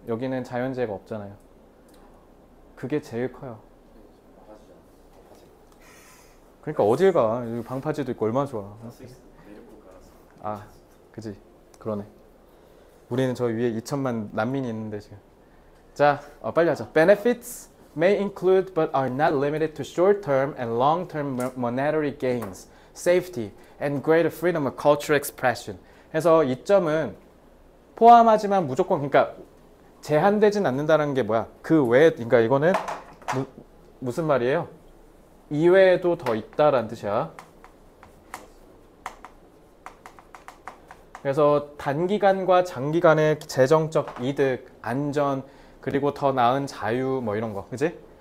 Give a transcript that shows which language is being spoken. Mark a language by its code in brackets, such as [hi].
[ko] 여기는 자연재해가 없잖아요. 그게 제일 커요. 그러니까 어딜 가. 여기 방파제도 있고 얼마나 좋아. 아 그지 그러네. 우리는 저 위에 2천만 난민이 있는데 지금. 자 빨리 하자. [en] Benefits may include but are not limited to short-term and long-term monetary gains, safety, and greater freedom of cultural expression. [ko] 그래서 이 점은 포함하지만 무조건 그러니까 제한되진 않는다는 게 뭐야? 그 외에 그러니까 이거는 무슨 말이에요? 이외에도 더 있다라는 뜻이야. 그래서 단기간과 장기간의 재정적 이득, 안전, 그리고 더 나은 자유 뭐 이런 거, 그지?